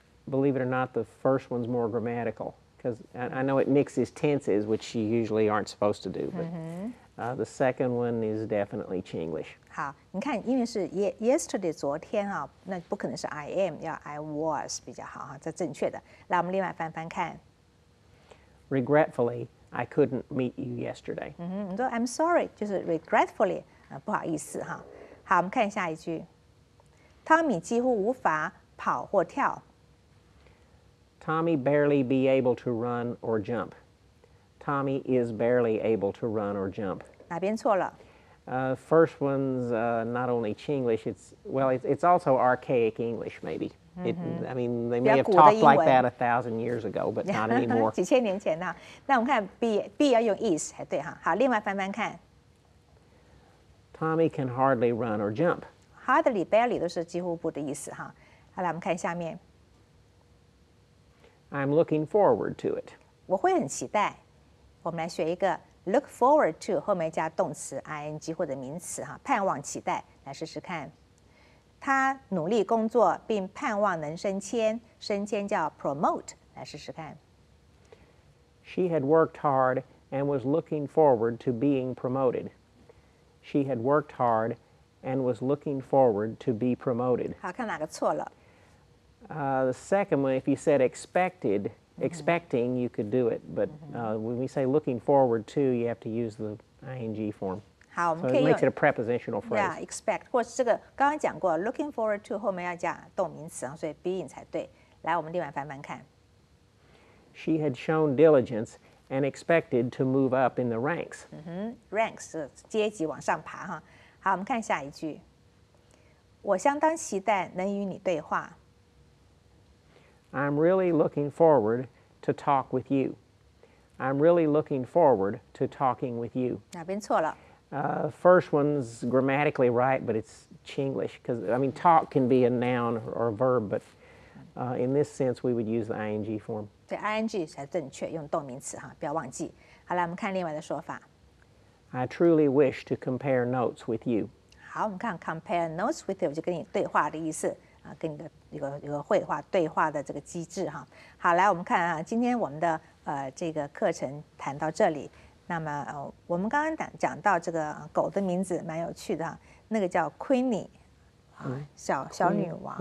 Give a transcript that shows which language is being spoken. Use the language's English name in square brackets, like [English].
[English] Believe it or not, the first one's more grammatical because I know it mixes tenses, which you usually aren't supposed to do. But、mm-hmm. The second one is definitely Chinglish. [Chinese] 好，你看，因为是 yesterday 昨天啊，那不可能是 [English] I am， [Chinese] 要 [English] I was [Chinese] 比较好哈，这正确的。来，我们另外翻翻看。 [English] Regretfully, I couldn't meet you yesterday. [Chinese] 嗯哼，你说 I'm sorry， 就是 regretfully 啊，不好意思哈。好，我们看下一句。Tommy 几乎无法。跑或跳。 [English] Tommy barely be able to run or jump. Tommy is barely able to run or jump. [Chinese] 哪边错了？ [English] First one's not only Chinglish, it's also archaic English, maybe.、Mm-hmm. They may have talked like that 1,000 years ago, but not anymore. [Chinese] 几千年前呢、啊？那我们看 B 要用 is 才对哈。好，另外翻翻看。 [English] Tommy can hardly run or jump. [Chinese] Hardly, barely 都是几乎不的意思哈。好来，我们看下面。 [English] I'm looking forward to it. [Chinese] 我会很期待。我们来学一个 [English] look forward to [Chinese] 后面加动词 ing 或者名词哈，盼望、期待，来试试看。他努力工作并盼望能升迁，升迁叫 promote， 来试试看。 [English] She had worked hard and was looking forward to being promoted. She had worked hard and was looking forward to be promoted. [Chinese] 好，看哪个错了。 [English] The second one, if you said expected, expecting, you could do it. But when we say looking forward to, you have to use the ing form. [Chinese] 好，我们可以用。 [English] So it makes it a prepositional phrase. Yeah, expect. [Chinese] 或是这个刚刚讲过 ， [English] looking forward to [Chinese] 后面要加动名词，所以 being 才对。来，我们另外翻翻看。 [English] She had shown diligence and expected to move up in the ranks. [Chinese] Ranks 是阶级往上爬哈。好，我们看下一句。我相当期待能与你对话。 [English] I'm really looking forward to talk with you. I'm really looking forward to talking with you. [Chinese] 哪边错了？ [English] First one's grammatically right, but it's Chinglish. Because, I mean, talk can be a noun or a verb, but in this sense, we would use the ing form. [Chinese] 对 ,ing 才正确，用动名词哈，不要忘记。好来，我们看另外的说法。 [English] I truly wish to compare notes with you. [Chinese] 好，我们看 [English] compare notes with you [Chinese] 就跟你对话的意思。跟你的一个绘画对话的这个机制哈，好，来我们看啊，今天我们的这个课程谈到这里，那么我们刚刚讲到这个狗的名字蛮有趣的，那个叫 Queenie 啊，小女王，